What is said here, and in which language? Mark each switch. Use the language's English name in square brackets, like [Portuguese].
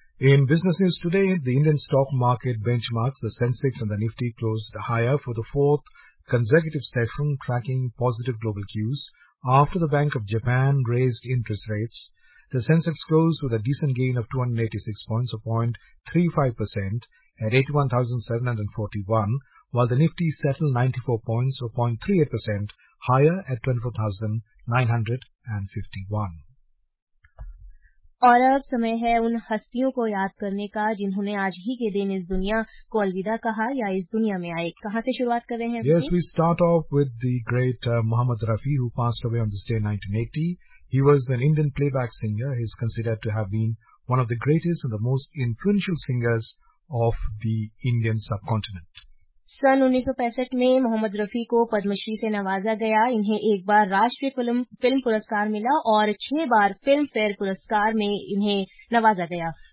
[English] In business news today, the Indian stock market benchmarks, the Sensex and the Nifty, closed higher for the fourth consecutive session, tracking positive global cues after the Bank of Japan raised interest rates. The Sensex closed with a decent gain of 286 points, or 0.35%, at 81,741, while the Nifty settled 94 points, or 0.38%, higher at 24,951. [Hindi] और अब समय है उन हस्तियों को याद करने का जिन्होंने आज ही के दिन इस दुनिया को अलविदा कहा या इस दुनिया में आए। कहां से शुरुआत कर रहे हैं? [English] Yes, we start off with the great Muhammad Rafi, who passed away on this day in 1980. He was an Indian playback singer. He is considered to have been one of the greatest and the most influential singers of the Indian subcontinent. [Hindi] सन 1965 में मोहम्मद रफी को पद्मश्री से नवाजा गया। इन्हें एक बार राष्ट्रीय film पुरस्कार मिला और 6 बार फिल्म फेयर पुरस्कार में इन्हें नवाजा गया।